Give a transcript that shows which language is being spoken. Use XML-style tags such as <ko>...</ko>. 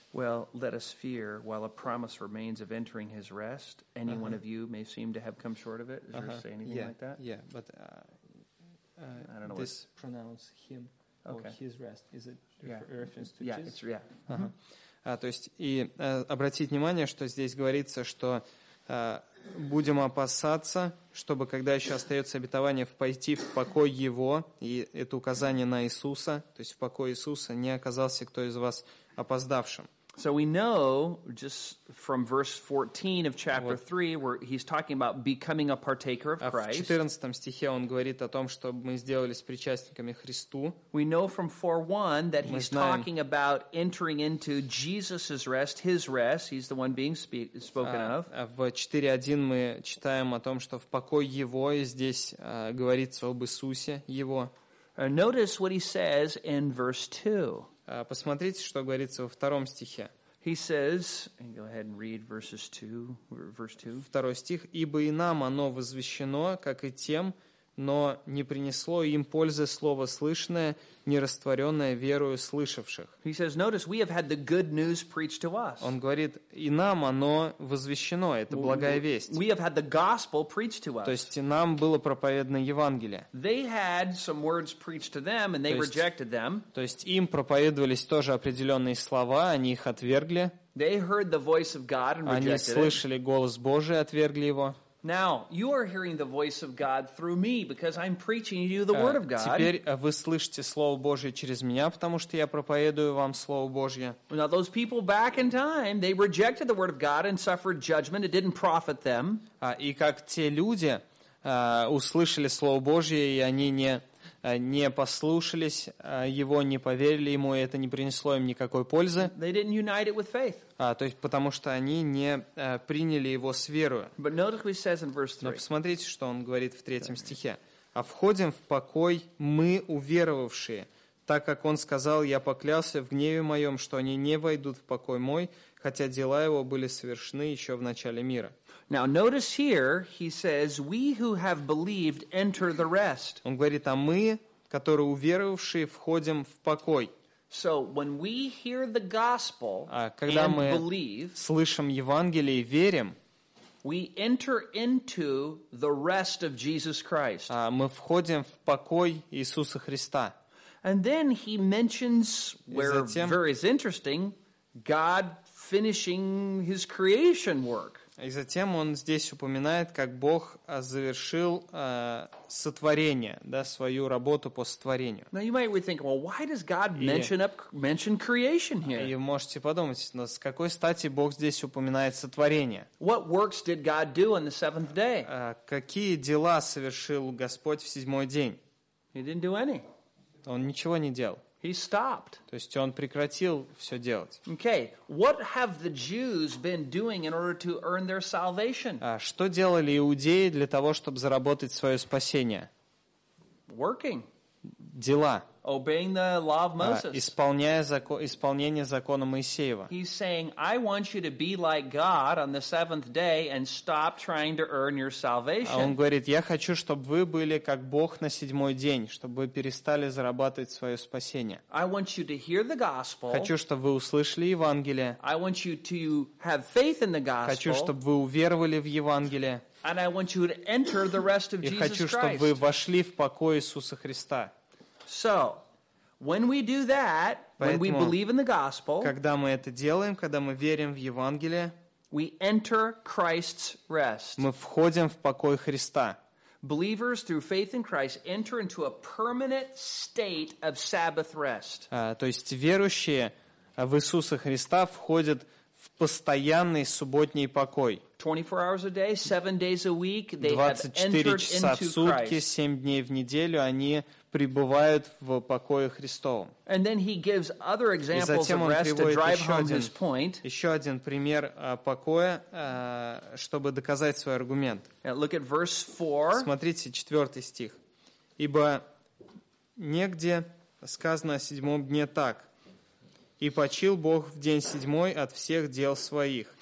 <en>Well, let us fear, while a promise remains of entering his rest, any one of you may seem to have come short of it. Does there say anything like that? Yeah, but I don't know this what... pronounce him or his rest. Is it reference to Jesus? Yeah,</en> <ru>То есть и обратить внимание, что здесь говорится, что будем опасаться, чтобы когда еще остается обетование пойти в покой Его, и это указание на Иисуса, то есть в покой Иисуса не оказался кто из вас опоздавшим.</ru> <en>So we know just from verse 14 of chapter 3 where he's talking about becoming a partaker of Christ.</en> <ru>В 14 стихе он говорит о том, что мы сделались причастниками Христу.</ru> <en>We know from 4:1 that he's talking about entering into Jesus's rest, his rest. He's the one being spoken of.</en> <ru>В 4:1 мы читаем о том, что в покой его, и здесь говорится об Иисусе его.</ru> <en>Notice what he says in verse 2.</en> <ru>Посмотрите, что говорится во втором стихе.</ru> <en>He says, go ahead and read verses 2, verse 2.</en> <ru>Второй стих. «Ибо и нам оно возвещено, как и тем, но не принесло им пользы слово слышное, не растворенное верою слышавших».</ru> <en>He says, notice, we have had the good news preached to us.</en> <ru>Он говорит, и нам оно возвещено, это благая весть.</ru> <en>We have had the gospel preached to us.</en> <ru>То есть нам было проповедано Евангелие.</ru> <en>They had some words preached to them, and they rejected them.</en> <ru>То есть им проповедовались тоже определенные слова, они их отвергли.</ru> <en>They heard the voice of God and rejected it.</en> <ru>Они слышали голос Божий, отвергли его.</ru> <en>Now, you are hearing the voice of God through me, because I'm preaching you the Word of God.</en> <ru>Теперь вы слышите Слово Божие через меня, потому что я проповедую вам Слово Божье.</ru> <en>Now, those people back in time, they rejected the Word of God and suffered judgment. It didn't profit them.</en> <ru>И как те люди услышали Слово Божье, и они не послушались Его, не поверили Ему, и это не принесло им никакой пользы.</ru> <en>They didn't unite it with faith.</en> <ru>То есть, потому что они не приняли Его с верою.</ru> <en>But notice what he says in verse 3.</en> <ru>Но посмотрите, что он говорит в третьем стихе. «А входим в покой мы, уверовавшие, так как он сказал, я поклялся в гневе моем, что они не войдут в покой мой, хотя дела его были совершены еще в начале мира».</ru> <en>Now notice here, he says, we who have believed enter the rest.</en> <ru>Он говорит, а мы, которые уверовавшие, входим в покой.</ru> <en>So when we hear the gospel and believe,</en> <ru>слышим Евангелие и верим,</ru> <en>we enter into the rest of Jesus Christ.</en> <ru>Мы входим в покой Иисуса Христа.</ru> <en>And then he mentions, where very interesting, God finishing his creation work.</en> <ru>И затем он здесь упоминает, как Бог завершил сотворение, да, свою работу по сотворению.</ru> <en>Now you might be thinking, well, why does God mention creation here?</en> <ru>И можете подумать, но с какой стати Бог здесь упоминает сотворение?</ru> <en>What works did God do on the seventh day?</en> <ru>Какие дела совершил Господь в седьмой день?</ru> <en>He didn't do any.</en> <ru>Он ничего не делал.</ru> <en>He stopped.</en> <ru>То есть он прекратил все делать.</ru> <en>Okay, what have the Jews been doing in order to earn their salvation?</en> <ru>Что делали иудеи для того, чтобы заработать свое спасение?</ru> <en>Working.</en> <ru>Дела.</ru> <en>Obeying the law of Moses.</en> <ru>Исполнение закона Моисеева.</ru> <en>He's saying, I want you to be like God on the seventh day and stop trying to earn your salvation.</en> <ru>Он говорит, я хочу, чтобы вы были как Бог на седьмой день, чтобы вы перестали зарабатывать свое спасение.</ru> <en>I want you to hear the gospel.</en> <ru>Хочу, чтобы вы услышали Евангелие.</ru> <en>I want you to have faith in the gospel.</en> <ru>Хочу, чтобы вы уверовали в Евангелие.</ru> <en>And I want you to enter the rest of Jesus</en> <ru>Christ. И хочу, чтобы вы вошли в покой Иисуса Христа.</ru> <en>So, when we do that,</en> <ru>поэтому,</ru> <en>when we believe in the gospel,</en> <ru>когда мы это делаем, когда мы верим в Евангелие,</ru> <en>we enter Christ's rest.</en> <ru>Мы входим в покой Христа.</ru> <en>Believers through faith in Christ enter into a permanent state of Sabbath rest.</en> <ru>То есть верующие в Иисуса Христа входят в постоянный субботний покой.</ru> <en>24 hours a day, 7 days a week, they have entered into Christ.</en> <ru>24 часа в сутки, 7 дней в неделю, они пребывают в покое Христовом.</ru> <en>And then he gives other examples of rest to drive home his point.</en> <ru>Еще один пример покоя, чтобы доказать свой аргумент.</ru> <en>Look at verse 4.</en> <ru>Смотрите, 4 стих. Ибо негде сказано о седьмом дне так. И почил Бог в день седьмой от всех дел своих.</ru>